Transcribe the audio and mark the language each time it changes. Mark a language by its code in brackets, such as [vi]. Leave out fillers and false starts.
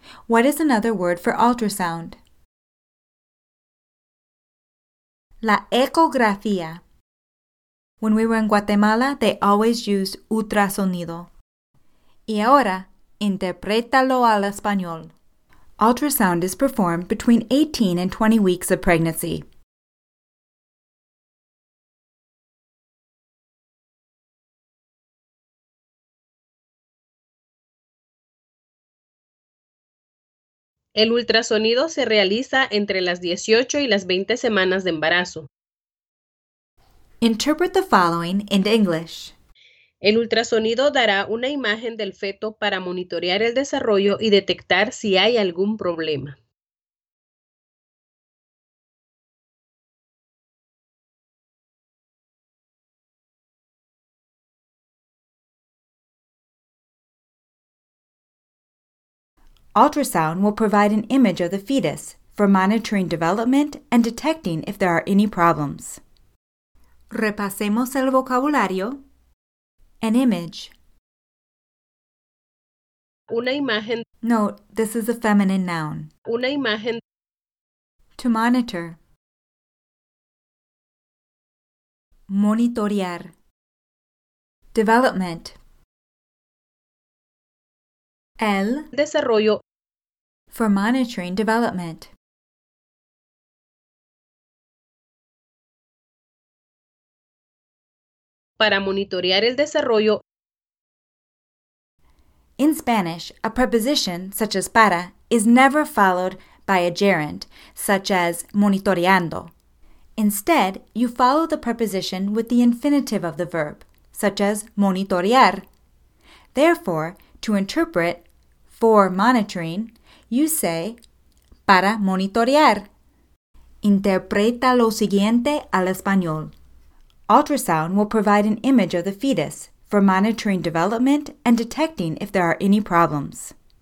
[en] What is another word for ultrasound? [es] La ecografía. [en] When we were in Guatemala, they always used ultrasonido. [es] Y ahora, interprétalo al español. [en] Ultrasound is performed between 18 and 20 weeks of pregnancy. [es] El ultrasonido se realiza entre las 18 y las 20 semanas de embarazo. [en] Interpret the following in English. [es] El ultrasonido dará una imagen del feto para monitorear el desarrollo y detectar si hay algún problema. [en] Ultrasound will provide an image of the fetus for monitoring development and detecting if there are any problems. [es] Repasemos el vocabulario. [en] An image. [es] Una imagen. [en] Note, this is a feminine noun. [es] Una imagen. [en] To monitor. [es] Monitorear. Development. El desarrollo. [en] For monitoring development. [es] Para monitorear el desarrollo. [en] In Spanish, a preposition such as para is never followed by a gerund, such as monitoreando. Instead, you follow the preposition with the infinitive of the verb, such as monitorear. Therefore, to interpret for monitoring, you say [es] para monitorear. Interpreta lo siguiente al español. [en] Ultrasound will provide an image of the fetus for monitoring development and detecting if there are any problems.